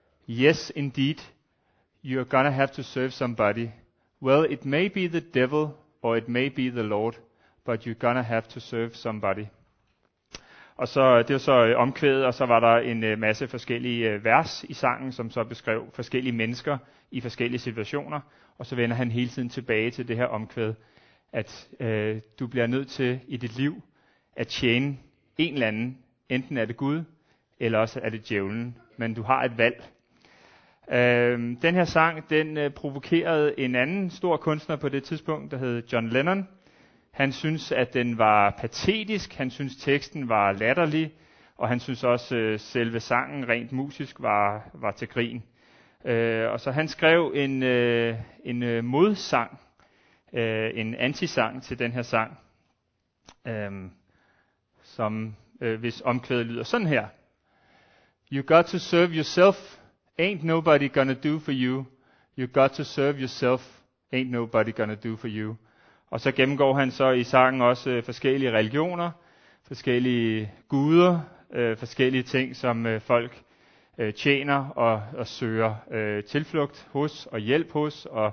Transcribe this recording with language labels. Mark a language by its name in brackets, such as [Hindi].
[English] Yes, indeed, you're gonna have to serve somebody. Well, it may be the devil, or it may be the Lord, but you're gonna have to serve somebody. [Danish] Og så, det var så omkvædet, og så var der en masse forskellige vers i sangen, som så beskrev forskellige mennesker i forskellige situationer. Og så vender han hele tiden tilbage til det her omkvæd, at du bliver nødt til i dit liv at tjene en eller anden. Enten er det Gud, eller også er det djævlen, men du har et valg. Den her sang, den provokerede en anden stor kunstner på det tidspunkt, der hed John Lennon. Han synes, at den var patetisk, han synes teksten var latterlig, og han synes også, selve sangen rent musisk var til grin. Og så han skrev en modsang, en antisang til den her sang, som hvis omkvædet lyder sådan her. [English] You got to serve yourself, ain't nobody gonna do for you. You got to serve yourself, ain't nobody gonna do for you. [Danish] Og så gennemgår han så i sangen også forskellige religioner, forskellige guder, forskellige ting, som folk tjener og søger tilflugt hos og hjælp hos.